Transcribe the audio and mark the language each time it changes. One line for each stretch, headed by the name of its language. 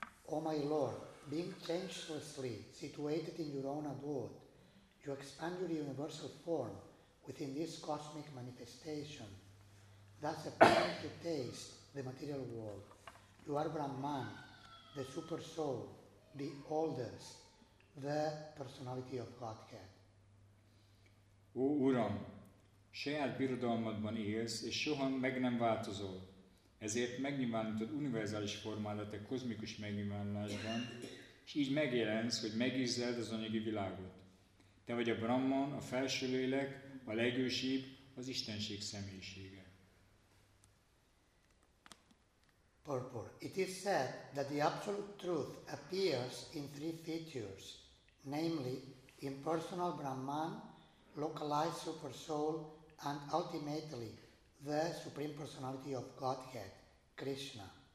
English: Oh my Lord, being changelessly situated in your own abode, you expand your universal form within this cosmic manifestation. Thus appearing to taste the material world, you are Brahman, the super soul, the oldest, the personality of Godhead.
Hungarian: Ó Uram, saját birodalmadban élsz, és soha meg nem változol. Ezért megnyilvánultad univerzális formádat a kozmikus megnyilvánulásban, és így megjelensz, hogy megízleld az anyagi világot. Te vagy a Brahman, a felső lélek, a legősibb, az Istenség személyisége.
English: Purport. It is said that the absolute truth appears in three features, namely, impersonal Brahman, localized super soul, and ultimately, the Supreme Personality of Godhead, Krishna.